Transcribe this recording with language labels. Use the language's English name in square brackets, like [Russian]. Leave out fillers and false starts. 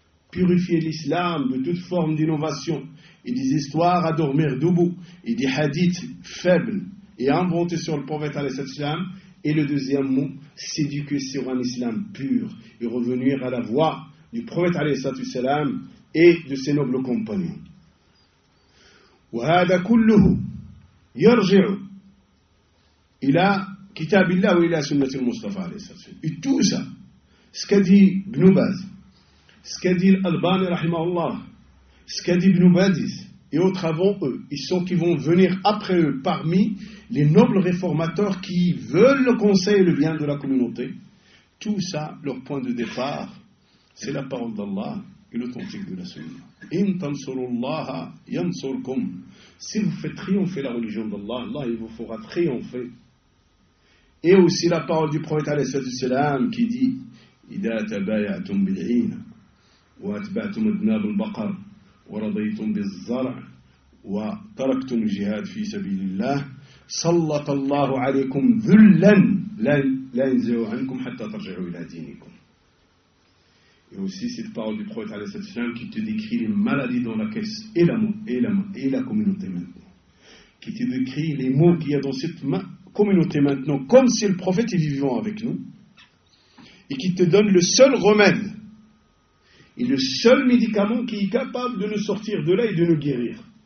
[French] purifier l'islam de toute forme d'innovation, et des histoires à dormir debout, et des hadiths faibles et inventés sur le prophète alayhi sallam, et le deuxième mot, s'éduquer sur un islam pur, et revenir à la voie du prophète alayhi sallam et de ses nobles compagnons. [Arabic] وهذا كله يرجع إلى كتاب الله وإلى سنة المصطفى عليه الصلاة والسلام. [French] Et tout ça, ce qu'a dit Ibn Baz, ce qu'a dit l'Albani rahimahullah, ce qu'a dit Ibn Badis, et autres avant eux, et ceux qui vont venir après eux parmi les nobles réformateurs qui veulent le conseil et le bien de la communauté, tout ça, leur point de départ, c'est la parole d'Allah et l'authentique de la sunna. [Arabic] إن تنصروا الله ينصركم. [French] Si vous faites triompher la religion d'Allah, Allah il vous fera triompher. Et aussi la parole du prophète [Arabic] عليه الصلاة والسلام [French] qui dit: [Arabic] إذا تبايعتم بالعين واتبعتم أذناب البقر ورضيتم بالزرع وتركتم الجهاد في سبيل الله سلط الله عليكم ذلا لا ينزعوا عنكم حتى ترجعوا إلى دينكم. [French] Et aussi cette parole du prophète alayhi salatu wasalam qui te décrit les maladies dans la caisse et la communauté maintenant. Qui te décrit les maux qu'il y a dans cette communauté maintenant, comme si le prophète est vivant avec nous. Et qui te donne le seul remède et le seul médicament qui est capable de nous sortir de là et de nous guérir.